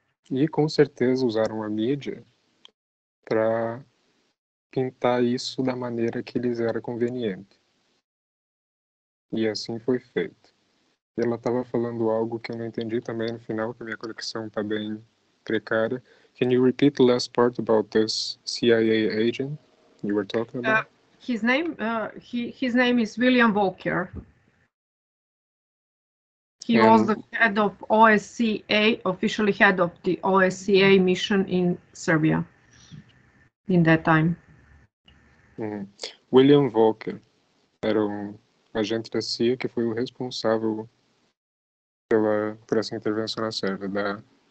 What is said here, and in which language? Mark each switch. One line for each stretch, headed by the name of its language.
Portuguese: E com certeza usaram a mídia para pintar isso da maneira que lhes era conveniente. E assim foi feito. Ela estava falando algo que eu não entendi também no final, que a minha conexão está bem precária.
English: Can you repeat the last part about this CIA agent you were talking about? His name is William Walker. Was the head of OSCE, officially head of the OSCE mission in Serbia in that time.
Portuguese: William Walker era um agente da CIA que foi o responsável por essa intervenção na Sérvia.